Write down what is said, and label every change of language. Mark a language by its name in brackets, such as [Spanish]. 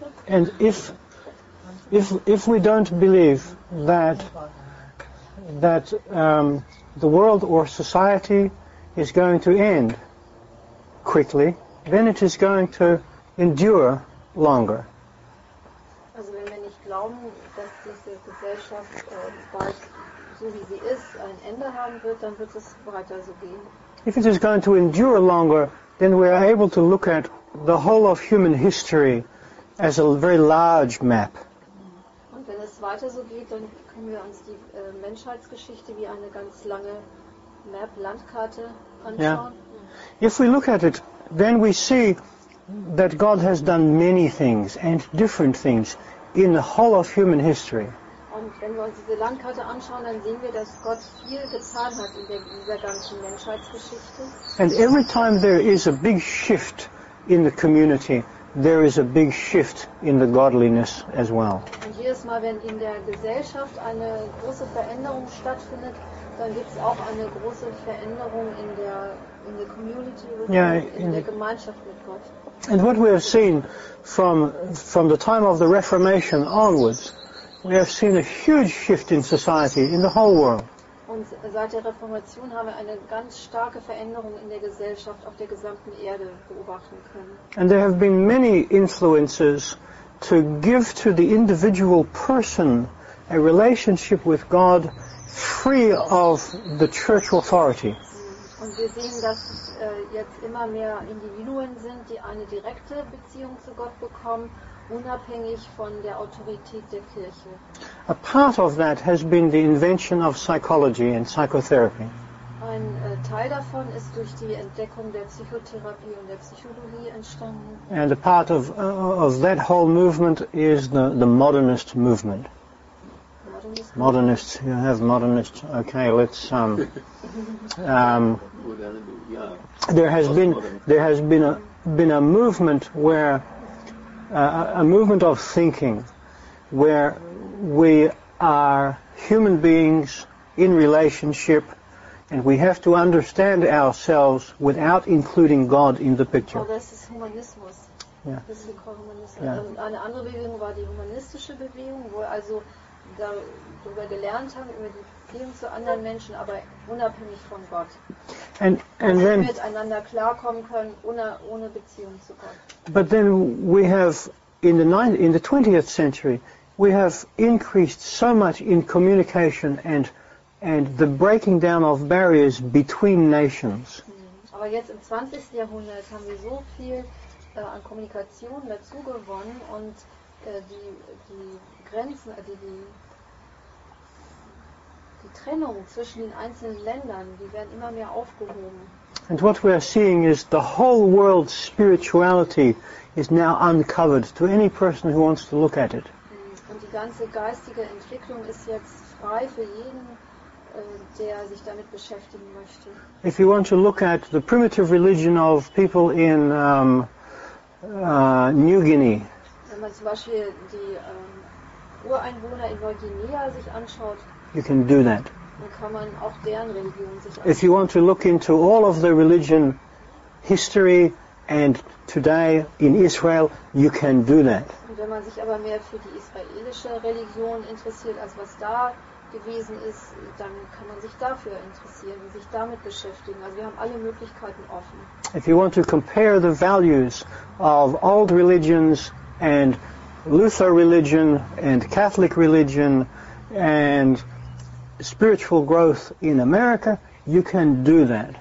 [English] and if we don't believe that the world or society is going to end quickly, then it is going to endure longer. [German] Also wenn wir nicht glauben, dass diese Gesellschaft bald so wie sie ist ein Ende haben wird, dann wird es weiter so gehen. [English] If it is going to endure longer, then we are able to look at the whole of human history as a very large map. [German] Und wenn es weiter so geht, dann können wir uns die Menschheitsgeschichte wie eine ganz lange Map, Landkarte anschauen. [English] Yeah. If we look at it, then we see that God has done many things and different things in the whole of human history. [German] Und wenn wir uns diese Landkarte anschauen, dann sehen wir, dass Gott viel getan hat in dieser ganzen Menschheitsgeschichte. [English] And every time there is a big shift in the community, there is a big shift in the godliness as well. [German] Und jedes Mal, wenn in der Gesellschaft eine große Veränderung stattfindet, dann gibt es auch eine große Veränderung in der Community, in der Gemeinschaft mit Gott. [English] And what we have seen from the time of the Reformation onwards, we have seen a huge shift in society, in the whole world. [German] Und seit der Reformation haben wir eine ganz starke Veränderung in der Gesellschaft auf der gesamten Erde beobachten können. [English] And there have been many influences to give to the individual person a relationship with God free of the church authority. [German] Und wir sehen, dass jetzt immer mehr Individuen sind, die eine direkte Beziehung zu Gott bekommen, unabhängig von der Autorität der Kirche. [English] A part of that has been the invention of psychology and psychotherapy. [German] Ein Teil davon ist durch die Entdeckung der Psychotherapie und der Psychologie entstanden. [English] And a part of that whole movement is the modernist movement. Modernists, you have modernists. Okay, let's. There has been a movement where a movement of thinking, where we are human beings in relationship, and we have to understand ourselves without including God in the picture. Oh, this is humanism. [German] bis wir Kochhumanisten. [English] Yeah. [German] Und eine andere Bewegung war die humanistische Bewegung, wo also darüber gelernt haben, über die Beziehung zu anderen Menschen, aber unabhängig von Gott. [English] And then, [German] miteinander klarkommen können, ohne Beziehung zu Gott. [English] But then we have in the 20th century, we have increased so much in communication and the breaking down of barriers between nations. [German] Aber jetzt im 20. Jahrhundert haben wir so viel an Kommunikation dazu gewonnen und die Grenzen, die Trennung zwischen den einzelnen Ländern, die werden immer mehr aufgehoben. [English] And what we are seeing is the whole world's spirituality is now uncovered to any person who wants to look at it. [German] Und die ganze geistige Entwicklung ist jetzt frei für jeden, der sich damit beschäftigen möchte. [English] If you want to look at the primitive religion of people in New Guinea. [German] Wenn man zum Beispiel die Ureinwohner in Neuguinea sich anschaut, [English] you can do that. [German] Dann kann man auch deren Religion sich anschauen. [English] If you want to look into all of the religion history and today in Israel, you can do that. [German] Und wenn man sich aber mehr für die israelische Religion interessiert, als was da gewesen ist, dann kann man sich dafür interessieren und sich damit beschäftigen. Also wir haben alle Möglichkeiten offen. [English] If you want to compare the values of old religions and Luther religion and Catholic religion and spiritual growth in America, you can do that.